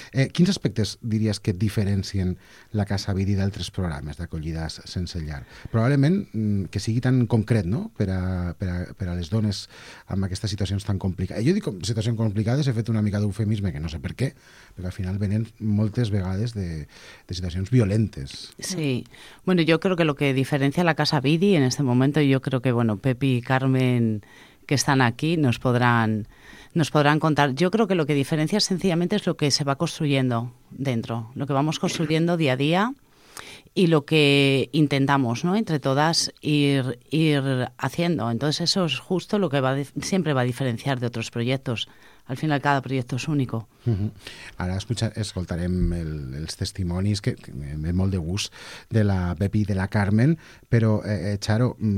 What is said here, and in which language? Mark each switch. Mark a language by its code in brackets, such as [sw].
[ca] Quins aspectes diries que diferencien la Casa Avidi d'altres programes d'acollides sense llar? Probablement que sigui tan concret, no?, per a les dones amb aquestes situacions tan complicades. Jo dic situacions complicades, he fet una mica d'eufemisme, que no sé per què, perquè al final venen moltes vegades de situacions violentes. Sí. [es] Bueno, yo creo que lo que diferencia la Casa Avidi en este momento, yo creo que, bueno, Pepi y Carmen... que están aquí, nos podrán contar. Yo creo que lo que diferencia sencillamente es lo que se va construyendo dentro, lo que vamos construyendo día a día y lo que intentamos, ¿no?, entre todas ir haciendo. Entonces eso es justo lo que siempre va a diferenciar de otros proyectos. Al final cada proyecto es único. Uh-huh. [ca] Ara escoltarem els testimonis, que m'he molt de gust, de la Pepi i de la Carmen, però, Charo...